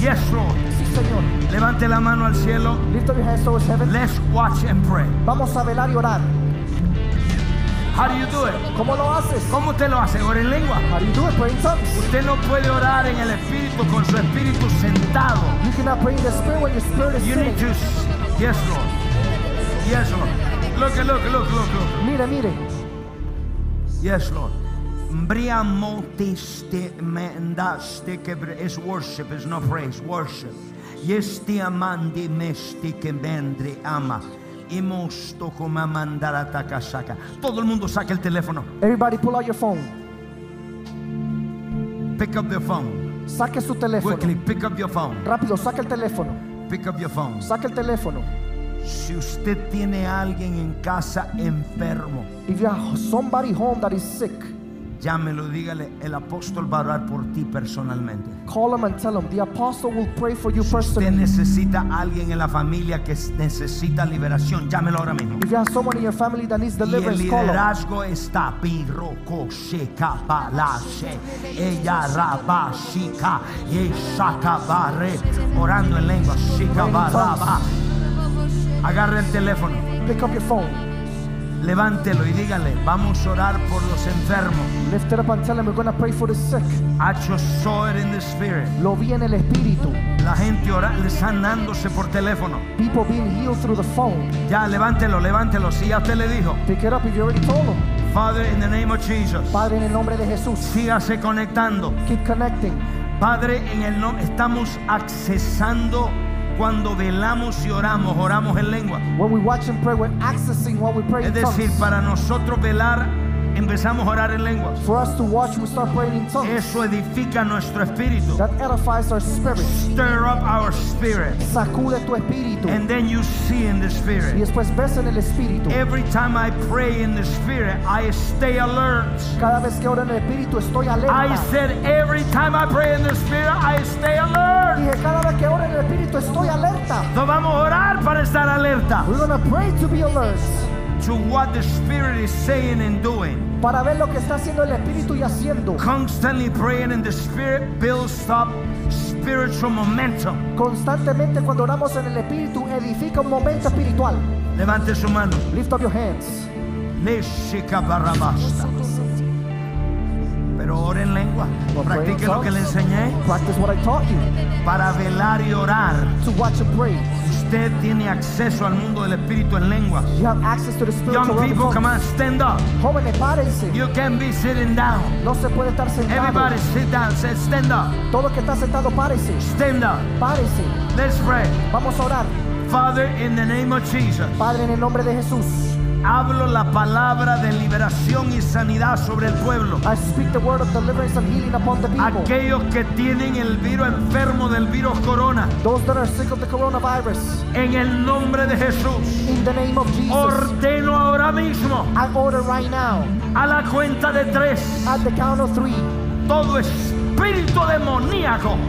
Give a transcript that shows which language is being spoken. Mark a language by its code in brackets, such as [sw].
[en] Yes, Lord. [es] Sí, Señor. Levante la mano al cielo. [en] Lift up your hands towards heaven. Let's watch and pray. [es] Vamos a velar y orar. [en] How do you do it? [es] ¿Cómo lo haces? ¿Cómo usted lo hace? ¿Ora en lengua? [en] How do you do it? Pray in tongues. [es] Usted no puede orar en el espíritu con su espíritu sentado. [en] You cannot pray in the spirit when your spirit is you sitting. You need to. Yes, Lord. Yes, Lord. Look. [es] Mire. [en] Yes, Lord. Mbriamotiste mendaste que is worship, it's not praise, worship. Yes, ti amandi mesti que mendri ama. [es] Hemos tocado a mandar a Takasaka. Todo el mundo saque el teléfono. [en] Everybody pull out your phone. Pick up your phone. [es] Saque su teléfono. [en] Quickly, pick up your phone. [es] Rápido, saque el teléfono. [en] Pick up your phone. [es] Saque el teléfono. Si usted tiene alguien en casa enfermo, [en] if you have somebody home that is sick, [es] llámelo, dígale, el apóstol va a orar por ti personalmente. [en] Call him and tell him the apostle will pray for you [es] si [en] personally. [es] Usted necesita alguien en la familia que necesita liberación, llámelo ahora mismo. [en] If you have someone in your family that needs deliverance, call him. [es] Y el liderazgo está piroco sheka balashe ella raba shika yeshaka barre orando en lengua shika baraba. Agarre el teléfono. [en] Pick up your phone. [es] Levántelo y dígale, vamos a orar por los enfermos. [en] Lift it up and tell him we're going to pray for the sick. I just saw it in the spirit. [es] Lo vi en el espíritu. La gente ora sanándose por teléfono. [en] People being healed through the phone. [es] Ya, levántelo, si ya usted le dijo. [en] Pick it up if you already told him. Father, in the name of Jesus. [es] Padre, en el nombre de Jesús. Sígase conectando. [en] Keep connecting. [es] Padre, en el nombre, estamos accesando. Cuando velamos y oramos en lengua. [en] When we watch and pray, we're accessing what we pray in tongues. [es] Es decir, para nosotros velar empezamos a orar en lenguas. [en] For us to watch, we start praying in tongues. [es] Eso edifica nuestro espíritu. [en] That edifies our spirit. Stir up our spirit. [es] Sacude tu espíritu. [en] And then you see in the spirit. [es] Y después ves en el espíritu. [en] Every time I pray in the spirit, I stay alert. [es] Cada vez que oro en el espíritu, estoy alerta. [en] I said every time I pray in the spirit, I stay alert. [es] Dije, cada vez que oro en el espíritu, estoy alerta. No vamos a orar para estar alerta. [en] We're going to pray to be alert. To what the Spirit is saying and doing. [es] Para ver lo que está haciendo el Espíritu y haciendo. [en] Constantly praying in the Spirit builds up spiritual momentum. [es] Constantemente cuando oramos en el Espíritu edifica un momento espiritual. Levante su mano. [en] Lift up your hands. Nishika barabasta. [es] Pero ore en lengua. [en] Well, [es] practique lo que le enseñé. [en] Practice what I taught you. [es] Para velar y orar. [en] To watch and pray. [es] Usted tiene acceso al mundo del Espíritu en lengua. [en] You have access to the spiritual realm. Young people, come on, stand up. [es] Jóvenes, párense. [en] You can't be sitting down. [es] No se puede estar sentado. [en] Everybody, sit down. Say, stand up. [es] Todo que está sentado, párese. [en] Stand up. [es] Párese. [en] Let's pray. [es] Vamos a orar. [en] Father, in the name of Jesus. [es] Padre, en el nombre de Jesús. Hablo la palabra de liberación y sanidad sobre el pueblo. [en] I speak the word of deliverance and healing upon the people. [es] Aquellos que tienen el virus enfermo del virus corona. [en] Those that are sick of the coronavirus. [es] En el nombre de Jesús. [en] In the name of Jesus. [es] Ordeno ahora mismo. [en] I order right now. [es] A la cuenta de tres. [en] At the count of three. [es] Todo espíritu demoníaco.